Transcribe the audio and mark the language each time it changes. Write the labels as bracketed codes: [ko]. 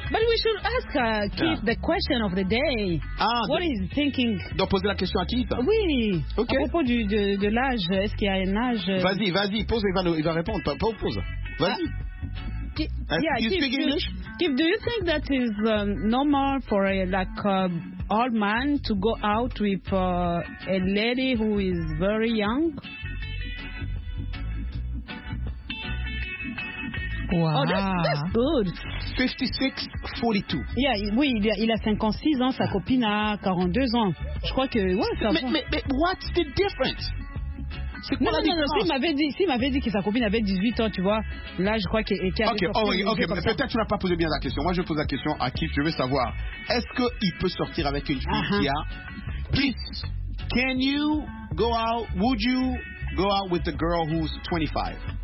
[en] But we should ask Keith the question of the day. Ah, what is he thinking? [fr] Donc poser la question à Keith. Oui. [en] Okay. [fr] À propos de l'âge, est-ce qu'il y a un âge? Vas-y, pose, il va répondre. Pose. Vas-y. [en] Speak English? Keith, do you think that is normal for a old man to go out with a lady who is very young? Wow. Oh, that's good. 56-42. Yeah, [fr] oui, il a 56 ans, sa copine a 42 ans. Je crois que... Ouais, mais [en] what's the difference? [fr] Non, s'il m'avait dit que sa copine avait 18 ans, tu vois, là, je crois qu'elle était... Ok, peut-être que tu n'as pas posé bien la question. Moi, je pose la question à qui, je veux savoir, est-ce qu'il peut sortir avec une fille qui a... [en] Please, can you go out, would you go out with a girl who's 25?